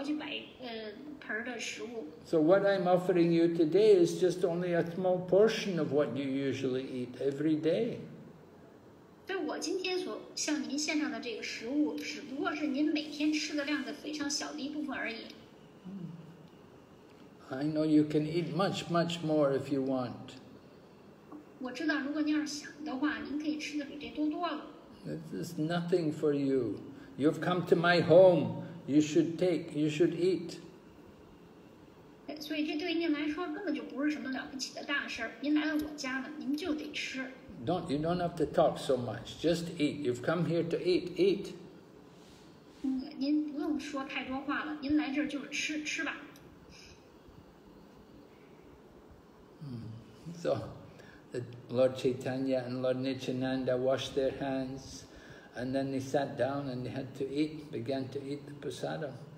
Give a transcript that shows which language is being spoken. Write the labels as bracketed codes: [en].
[zh] 而且呢，每一次就是你要吃54供奉，而且每一次供奉呢都有好几百盆的食物。So [en] what I'm offering you today is just only a small portion of what you usually eat every day. [zh] 对我今天所向您献上的这个食物，只不过是您每天吃的量的非常小的一部分而已。 [en] I know you can eat much, much more if you want. There's nothing for you. You've come to my home. You should take, you should eat. You don't have to talk so much. Just eat. You've come here to eat. Eat. [zh] 您不用说太多话了，您来这儿就是吃吧。 [en] So, Lord Chaitanya and Lord Nityananda washed their hands, and then they sat down and they had to eat, began to eat the prasadam.